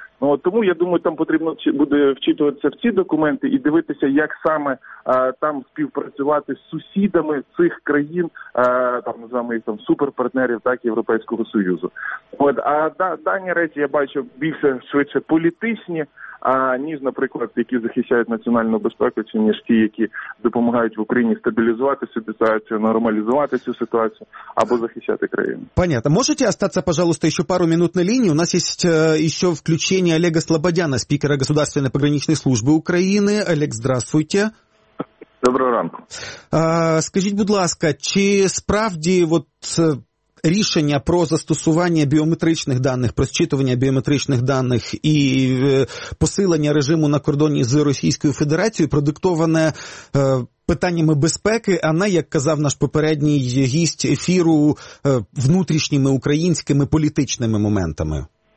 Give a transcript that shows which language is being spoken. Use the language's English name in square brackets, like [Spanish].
[Ukrainian] Ну, тому, я думаю, там потрібно буде вчитуватися в ці документи і дивитися, як саме там співпрацювати з сусідами цих країн, там, називаємо їх там суперпартнерів, так, Європейського Союзу. От, а дані речі я бачу більше, швидше політичні, ніж, наприклад, які захищають національну безпеку, чи ніж ті, які допомагають в Україні стабілізувати ситуацію, нормалізувати цю ситуацію або захищати країну. [Russian] Понятно. Можете остаться, пожалуйста, еще пару минут на линии? У нас есть еще включение Олега Слободяна, спикера Государственной пограничной службы Украины. Олег, здравствуйте. [Ukrainian] Доброго ранку. Скажіть, будь ласка, чи справді вот рішення про застосування біометричних даних, про зчитування біометричних даних і посилення режиму на кордоні з Російською Федерацією продиктоване питаннями безпеки, а не, як казав наш попередній гість ефіру, внутрішніми українськими політичними моментами?